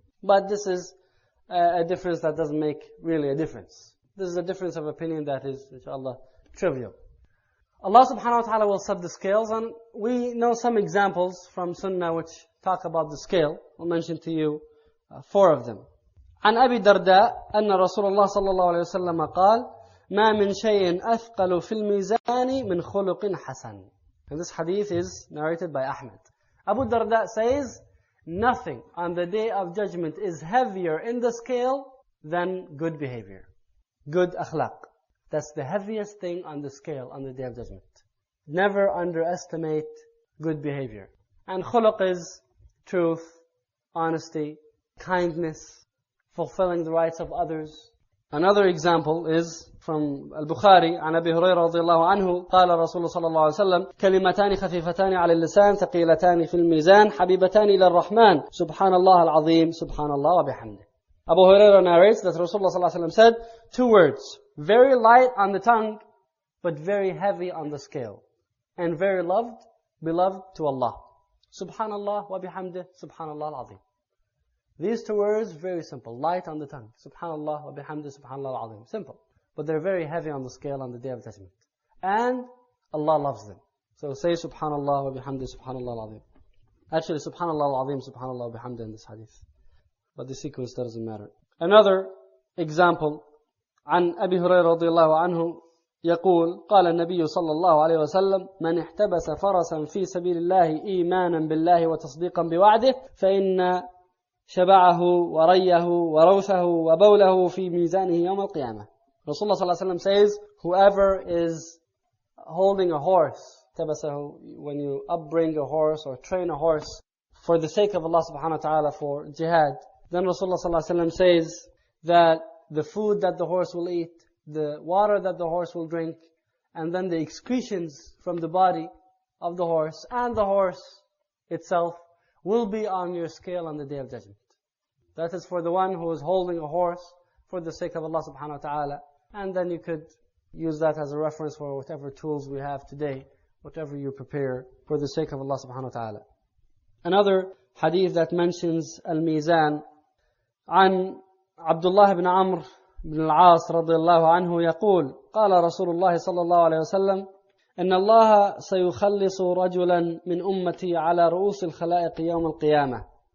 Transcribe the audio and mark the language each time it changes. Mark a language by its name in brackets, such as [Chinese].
[English] But this is a difference that doesn't make really a difference. This is a difference of opinion that is, inshallah, trivial. Allah subhanahu wa ta'ala will set the scales, and we know some examples from Sunnah which talk about the scale. I'll mention to you four of them. [Arabic] عن أبي درداء أن رسول الله صلى الله عليه وسلم قال ما من شيء أثقل في الميزان من خلق حسن. [English] And this hadith is narrated by Ahmed. Abu Darda says, nothing on the day of judgment is heavier in the scale than good behavior. Good akhlaq. That's the heaviest thing on the scale on the day of judgment. Never underestimate good behavior. And khuluq is truth, honesty, kindness, fulfilling the rights of others. Another example is from Al-Bukhari, [Arabic] عن أبي هريرة رضي الله عنه قال رسول الله صلى الله عليه وسلم كلمتان خفيفتان على اللسان ثقيلتان في الميزان حبيبتان إلى الرحمن سبحان الله العظيم سبحان الله وبحمده. [English] Abu Huraira narrates that Rasulullah sallallahu alaihi wasallam said, two words, very light on the tongue, but very heavy on the scale, and very loved, beloved to Allah. [Arabic] Subhanallah wa bihamdih, subhanallah al-azim. [English] These two words, very simple, light on the tongue. [Arabic] Subhanallah wa bihamdih, subhanallah al-azim. [English] Simple. But they're very heavy on the scale on the day of judgment. And Allah loves them. So say [Arabic] subhanallah wa bihamdih, subhanallah al-azim. [English] Actually, [Arabic] subhanallah al-azim, subhanallah wa bihamdih [English] in this hadith. But the sequence doesn't matter. Another example, [Arabic] عن أبي هريرة رضي الله عنه يقول قال النبي صلى الله عليه وسلم من احتبس فرسا في سبيل الله إيمانا بالله وتصديقا بوعده فإن شبعه وريه وروثه وبوله في ميزانه يوم القيامة. [English] Rasulullah صلى الله عليه وسلم says, whoever is holding a horse, تبسه, when you upbring a horse or train a horse for the sake of Allah subhanahu wa ta'ala for jihad, then Rasulullah صلى الله عليه وسلم says that the food that the horse will eat, the water that the horse will drink, and then the excretions from the body of the horse and the horse itself will be on your scale on the day of judgment. That is for the one who is holding a horse for the sake of Allah subhanahu wa ta'ala. And then you could use that as a reference for whatever tools we have today, whatever you prepare for the sake of Allah subhanahu wa ta'ala. Another hadith that mentions al-mizan, [Arabic] عن عبد الله بن عمر بن العاص رضي الله عنه يقول قال رسول الله صلى الله عليه وسلم إن الله سيخلص رجلا من أمتي على رؤوس الخلائق يوم القيامة